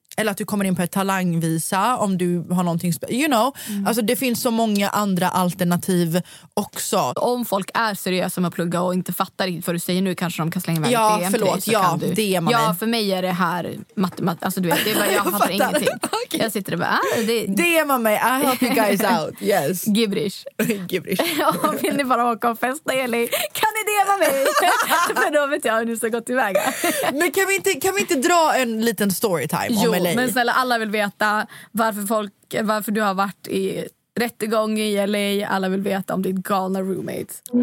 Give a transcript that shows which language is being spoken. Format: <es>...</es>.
<sv>eller att du kommer in på ett talangvisa om du har någonting,</sv> <en>you know.</en> <sv>Alltså det finns så många andra alternativ också. Om folk är seriösa med att plugga och inte fattar vad du säger nu, kanske de kan slänga iväg ja, DM förlåt, till, ja, förlåt, ja, DM. Ja, för mig är det här matte, alltså du vet, det är bara, jag fattar ingenting. Okay. Jag sitter och bara,</sv> <en>DM</en> <sv>mig,</sv> <en>I help you guys out, yes. Gibrish. Gibrish.</en> <sv>Ja, vill ni bara åka och festa, Eli? Kan ni DM mig? För då vet jag hur ni ska gå tillväga. Men kan vi inte dra en liten storytime om LA? Men snälla, alla vill veta varför du har varit i rättegång i LA. Alla vill veta om ditt galna roommate.</sv>